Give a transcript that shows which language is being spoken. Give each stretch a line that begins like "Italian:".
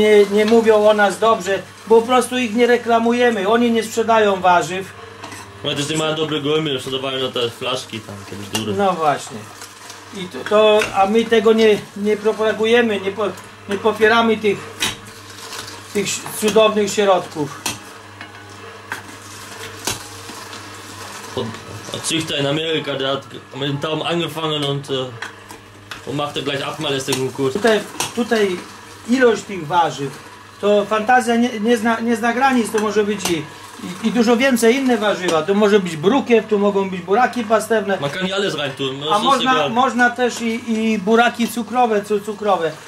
Polish: nie mówią o nas dobrze, bo po prostu ich nie reklamujemy, oni nie sprzedają warzyw. No też nie mają dobrego imienia, sprzedawają na te flaszki tam, te bzdury. No właśnie. I to, a my tego nie propagujemy, nie popieramy tych cudownych środków.
German: Und zieht er in Amerika, der hat mit dem Daumen angefangen und macht er gleich achtmal das Ding gut.
Polish: Tutaj ilość tych warzyw, to fantazja nie zna granic, to może być i dużo więcej inne warzywa. To może być brukiew, tu mogą być buraki pastewne.
German: Man kann ja alles rein tun.
Polish: A można też i buraki cukrowe, cukrowe.